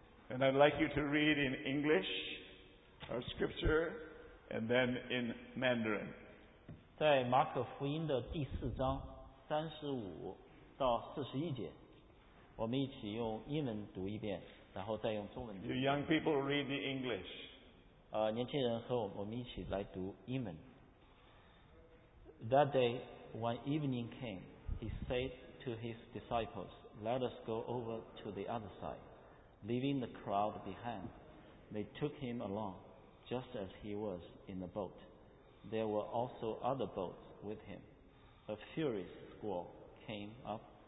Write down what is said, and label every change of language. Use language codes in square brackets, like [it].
[en] And I'd like you to read in English our scripture and then in Mandarin. [zh] 在马可福音的第四章三十五到四十一节，我们一起用英文读一遍，然后再用中文读。 [en] You young people read the English. [zh] 年轻人和我们一起来读英文。 [en] That day, when evening came, he said to his disciples, "Let us go over to the other side." Leaving the crowd behind, they took him along, just as he was in the boat. There were also other boats with him. A furious squall came up,